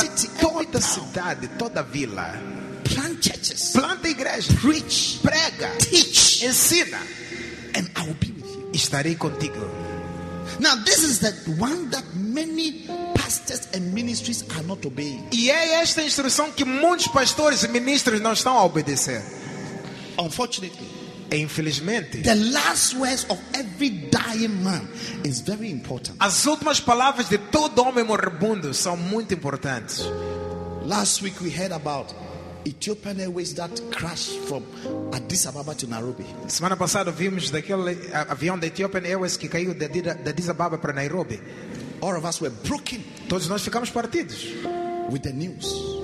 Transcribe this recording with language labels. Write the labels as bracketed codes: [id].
[en] city, [pt] toda cidade, toda vila. [en] Plant churches. [pt] Planta igrejas. [en] Preach. [pt] Prega. [en] Teach. [pt] Ensina. [en] And I will be with you. [pt] estarei contigo. [en] Now this is the one that many pastors and ministries are not obeying. [pt] E é esta instrução que muitos pastores e ministros não estão a obedecer. [en] Unfortunately, [pt] infelizmente, [en] the last words of every dying man is very important. [pt] As últimas palavras de todo homem moribundo são muito importantes. [en] Last week we heard about Ethiopian Airways that crashed from Addis Ababa to Nairobi. [pt] Semana passada vimos daquele avião da Ethiopian Airways que caiu de Addis Ababa para Nairobi. [en] All of us were broken. [pt] Todos nós ficamos partidos [en] with the news.